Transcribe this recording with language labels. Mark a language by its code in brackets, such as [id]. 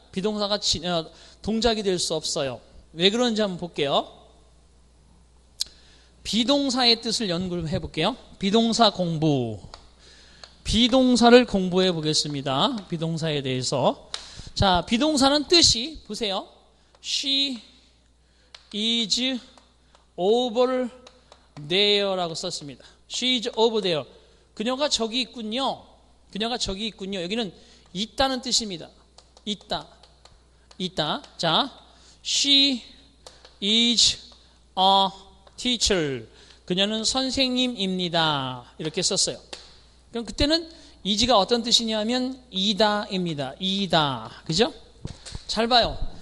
[ko] 비동사가 동작이 될 수 없어요. 왜 그런지 한번 볼게요. 비동사의 뜻을 연구해 볼게요. 비동사 공부. 비동사를 공부해 보겠습니다. 비동사에 대해서. 자, 비동사는 뜻이 보세요. [en] She is over there [ko] 라고 썼습니다. [en] She is over there. [ko] 그녀가 저기 있군요. 그녀가 저기 있군요. 여기는 있다는 뜻입니다. 있다. 있다. 자, [en] She is a teacher. [ko] 그녀는 선생님입니다. 이렇게 썼어요. 그럼 그때는 is가 어떤 뜻이냐면 이다입니다. 이다. 그죠? 잘 봐요.